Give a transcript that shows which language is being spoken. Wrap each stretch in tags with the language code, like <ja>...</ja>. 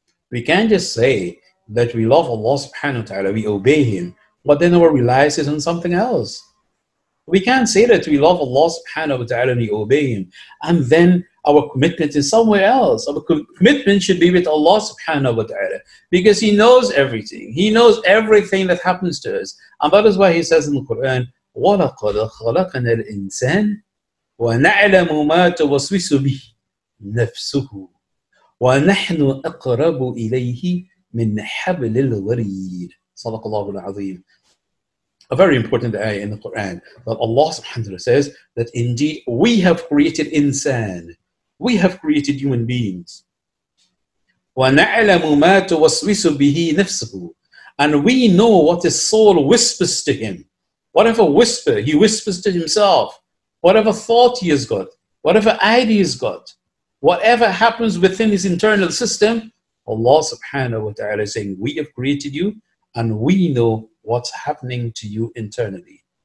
<en>We can't just say that we love Allah subhanahu wa ta'ala, we obey Him, but then our reliance is on something else. We can't say that we love Allah subhanahu wa ta'ala and we obey Him, and then our commitment is somewhere else. Our commitment should be with Allah subhanahu wa ta'ala, because He knows everything. He knows everything that happens to us. And that is why He says in the Quran,</en> <ar>وَلَقَدْ خَلَقَنَا الْإِنسَانَ وَنَعْلَمُ مَا تُوَسْوِسُ بِهِ نَفْسُهُ وَنَحْنُ أَقْرَبُ إِلَيْهِ مِنْ حَبْلِ الْوَرِيدِ. صدق الله العظيم.</ar> <en>A very important ayah in the Quran, that Allah subhanahu wa ta'ala says that indeed we have created insan, we have created human beings.</en> <ar>وَنَعْلَمُ مَا تُوَسْوِسُ بِهِ نَفْسُهُ.</ar> <en>And we know what his soul whispers to him. Whatever whisper he whispers to himself, whatever thought he has got, whatever idea he's got, whatever happens within his internal system, Allah subhanahu wa ta'ala is saying, we have created you and we know what's happening to you internally.</en>